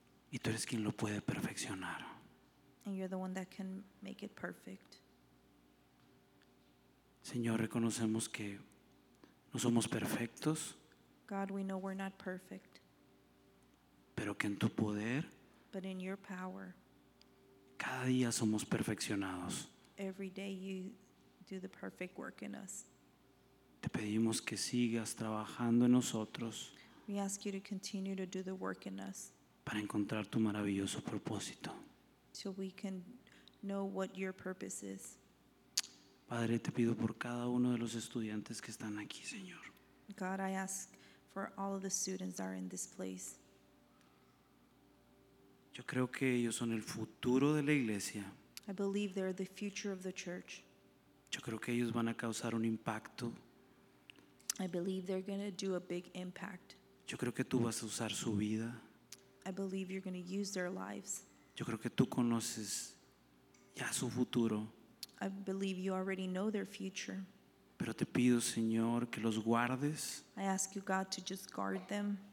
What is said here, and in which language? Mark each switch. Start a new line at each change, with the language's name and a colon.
Spanish: Y tú eres quien lo puede perfeccionar.
English: And you're the one that can make it perfect.
Spanish: Señor, reconocemos que no somos perfectos.
English: God, we know we're not perfect.
Spanish: Pero que en tu poder,
English: but in your power,
Spanish: cada día somos perfeccionados.
English: Every day you do the perfect work in us.
Spanish: Te pedimos que sigas trabajando en nosotros.
English: We ask you to continue to do the work in us.
Spanish: Para encontrar tu maravilloso propósito.
English: So we can know what your purpose is.
Spanish: Padre, te pido por cada uno de los estudiantes que están aquí, Señor.
English: God, I ask for all of the students that are in this place.
Spanish: Yo creo que ellos son el futuro de la iglesia.
English: I believe they're the future of the church.
Spanish: Yo creo que ellos van a causar un impacto.
English: I believe they're going to do a big impact.
Spanish: Yo creo que tú vas a usar su vida.
English: I believe you're going to use their lives.
Spanish: Yo creo que tú conoces ya su futuro.
English: I believe you already know their future.
Spanish: Pero te pido, Señor, que los guardes.
English: I ask you, God, to just guard them.